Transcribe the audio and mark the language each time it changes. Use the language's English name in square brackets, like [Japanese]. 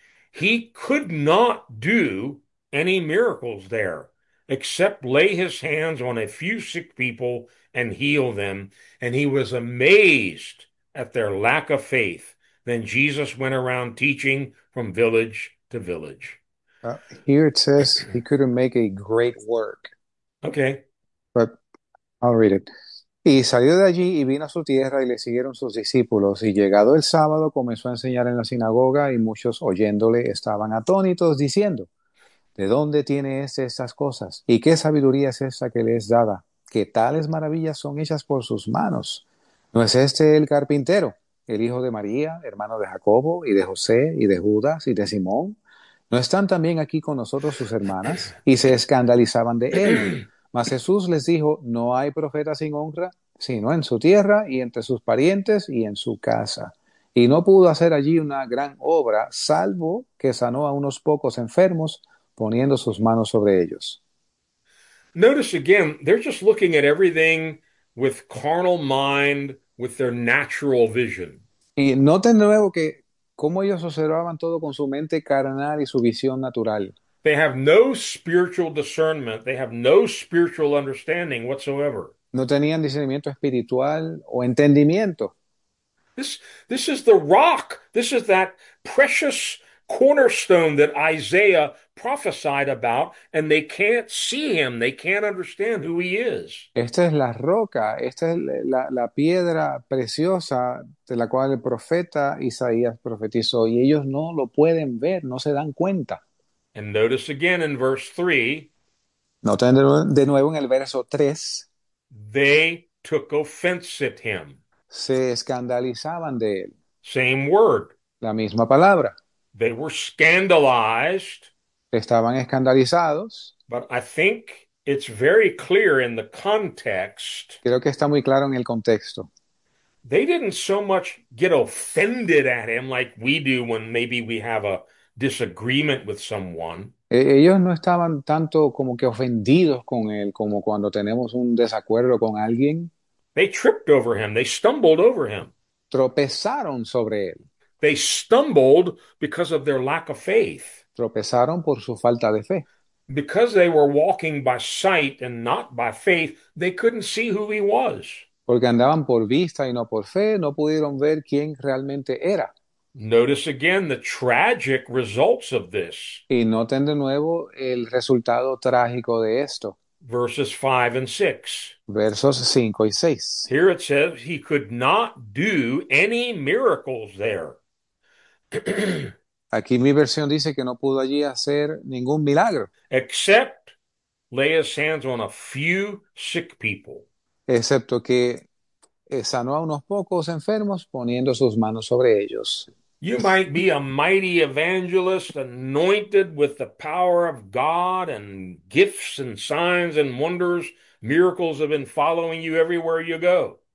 [English] He could not do any miracles there, except lay his hands on a few sick people and heal them. And he was amazed at their lack of faith. Then Jesus went around teaching from village to village. Here it says he couldn't make a great work. Okay. But I'll read it. [Spanish] Y salió de allí y vino a su tierra y le siguieron sus discípulos. Y llegado el sábado comenzó a enseñar en la sinagoga y muchos oyéndole estaban atónitos diciendo, ¿de dónde tiene éste estas cosas? ¿Y qué sabiduría es esta que le es dada? ¿Qué tales maravillas son hechas por sus manos? ¿No es este el carpintero, el hijo de María, hermano de Jacobo y de José y de Judas y de Simón? ¿No están también aquí con nosotros sus hermanas? Y se escandalizaban de él. Mas Jesús les dijo, no hay profeta sin honra, sino en su tierra y entre sus parientes y en su casa. Y no pudo hacer allí una gran obra, salvo que sanó a unos pocos enfermos poniendo sus manos sobre ellos. [English] Notice again, they're just looking at everything with carnal mind, with their natural vision. [Spanish] Y noten de nuevo que cómo ellos observaban todo con su mente carnal y su visión natural. [English] They have no spiritual discernment. They have no spiritual understanding whatsoever. [Spanish] No tenían discernimiento espiritual o entendimiento. [English] This is the rock. This is that precious cornerstone that Isaiah prophesied about, and they can't see him. They can't understand who he is. [Spanish] Esta es la roca, esta es la piedra preciosa de la cual el profeta Isaías profetizó y ellos no lo pueden ver, no se dan cuenta. [English] And notice again in verse 3, [Spanish] Noten de nuevo en el verso 3, [English] they took offense at him. [Spanish] se escandalizaban de él. [English] Same word. [Spanish] La misma palabra. [English] They were scandalized. [Spanish] Estaban escandalizados. [English] But I think it's very clear in the context. [Spanish] Creo que está muy claro en el contexto. [English] They didn't so much get offended at him like we do when maybe we have a disagreement with someone. [Spanish] Ellos no estaban tanto como que ofendidos con él como cuando tenemos un desacuerdo con alguien. [English] They tripped over him. They stumbled over him. [Spanish] Tropezaron sobre él. [English] They stumbled because of their lack of faith. [Spanish] Tropezaron por su falta de fe. [English] Because they were walking by sight and not by faith, they couldn't see who he was. [Spanish] Porque andaban por vista y no por fe, no pudieron ver quién realmente era. [English] Notice again the tragic results of this. [Spanish] Y noten de nuevo el resultado trágico de esto. [English] Verses 5 and 6. [Spanish] Versos 5 y 6. [English] Here it says he could not do any miracles there. [Spanish] Aquí mi versión dice que no pudo allí hacer ningún milagro. [English] Except lay his hands on a few sick people. [Spanish] Excepto que sanó a unos pocos enfermos poniendo sus manos sobre ellos. [English] You might be a mighty evangelist anointed with the power of God and gifts and signs and wonders. Miracles have been following you everywhere you go.